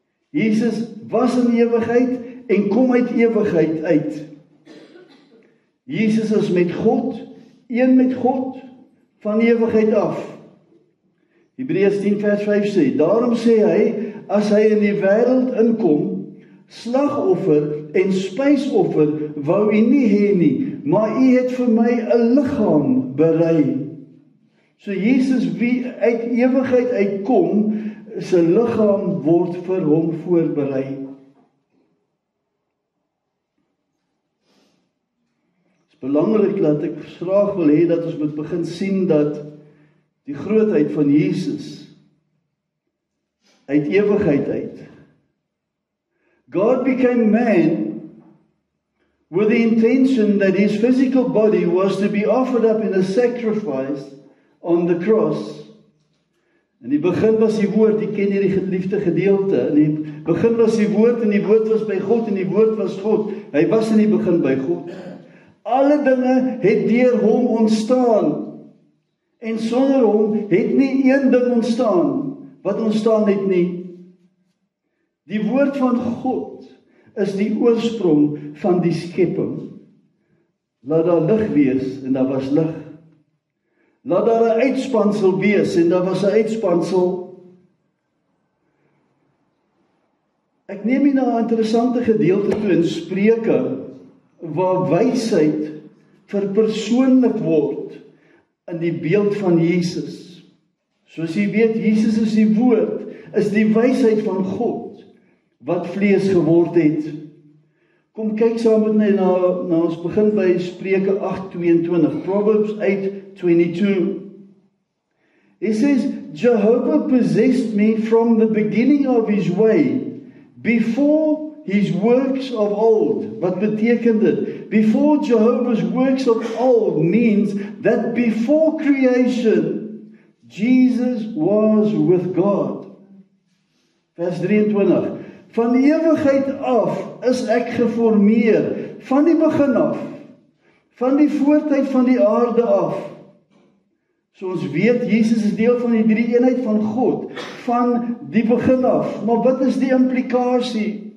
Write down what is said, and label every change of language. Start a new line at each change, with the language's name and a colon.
Afrikaans: Jesus was in ewigheid en kom uit ewigheid uit. Jesus is met God, een met God, van ewigheid af. Hebreërs 10 vers 5 sê, daarom sê hy, as hy in die wêreld inkom, slagoffer en spysoffer wou hy nie hê nie, maar hy het vir my 'n liggaam berei. So Jesus wie uit ewigheid uitkom, sy liggaam word vir hom voorberei. Dit is belangrik dat ek graag wil hê dat ons moet begin sien dat die grootheid van Jesus uit ewigheid uit.
English: God became man with the intention that his physical body was to be offered up in a sacrifice on the cross.
Afrikaans: In die begin was die woord, jy ken hierdie geliefde gedeelte, in die begin was die woord en die woord was by God en die woord was God. Hy was in die begin by God. Alle dinge het deur hom ontstaan. En sonder hom het nie een ding ontstaan wat ontstaan het nie. Die woord van God is die oorsprong van die skepping. Laat daar lig wees en daar was lig. Laat daar 'n uitspansel wees en daar was 'n uitspansel. Ek neem hier na 'n interessante gedeelte toe in Spreuke waar wysheid verpersoonlik word in die beeld van Jesus. Soos jy weet, Jesus is die woord, is die wysheid van God wat vlees geword het. Kom kyk saam met my na ons begin by Spreuke 8:22,
English: Proverbs 8:22. He says, Jehovah possessed me from the beginning of his way, before his works of old.
Afrikaans: Wat beteken dit?
English: Before Jehovah's works of old means that before creation, Jesus was with God.
Afrikaans: Vers 23. Van ewigheid af is ek geformeer, van die begin af, van die voortyd van die aarde af. So ons weet, Jesus is deel van die drie eenheid van God, van die begin af. Maar wat is die implikasie?